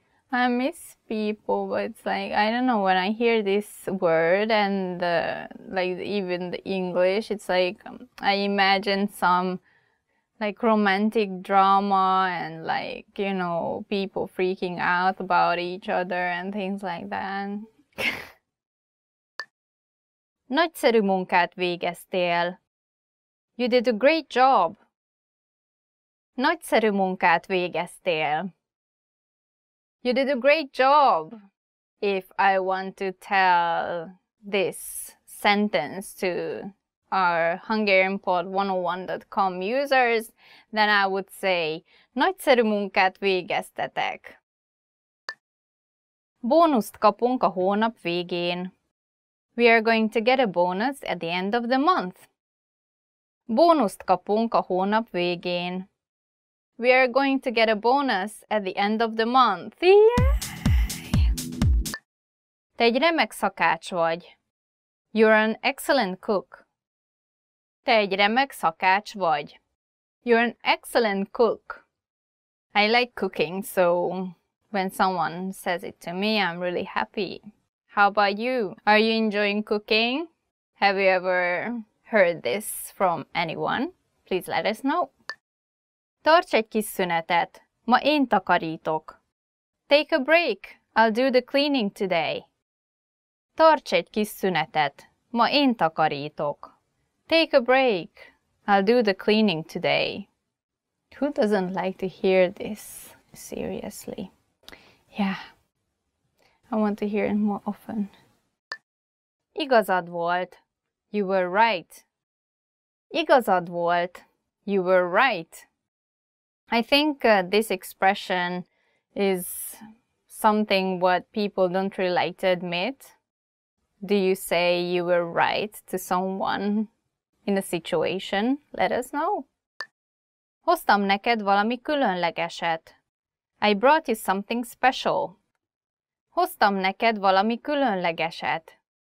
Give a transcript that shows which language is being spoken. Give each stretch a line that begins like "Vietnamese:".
English: I miss people, but it's like, I don't know, when I hear this word and even the English, it's like I imagine some like romantic drama and like, you know, people freaking out about each other and things like that.
Hungarian: Nagyszerű munkát végeztél.
English: You did a great job.
Hungarian: Nagyszerű munkát végeztél.
English: You did a great job. If I want to tell this sentence to our HungarianPod101.com users, then I would say,
Hungarian: nagyszerű munkát végeztetek. Bónuszt kapunk a hónap végén.
English: We are going to get a bonus at the end of the month.
Hungarian: Bónuszt kapunk a hónap végén.
English: We are going to get a bonus at the end of the month. Yay!
Hungarian: Te egy remek szakács vagy.
English: You're an excellent cook.
Hungarian: Te egy remek szakács vagy.
English: You're an excellent cook. I like cooking, so when someone says it to me, I'm really happy. How about you? Are you enjoying cooking? Have you ever heard this from anyone? Please let us know.
Hungarian: Tarts egy kis szünetet, ma én takarítok.
English: Take a break, I'll do the cleaning today.
Hungarian: Tarts egy kis szünetet, ma én takarítok.
English: Take a break, I'll do the cleaning today. Who doesn't like to hear this? Seriously. Yeah. I want to hear it more often.
Hungarian: Igazad volt.
English: You were right.
Hungarian: Igazad volt.
English: You were right. I think this expression is something what people don't really like to admit. Do you say you were right to someone in a situation? Let us know.
Hungarian: Hoztam neked valami különlegeset.
English: I brought you something special.
Hungarian: Hoztam neked valami különlegeset.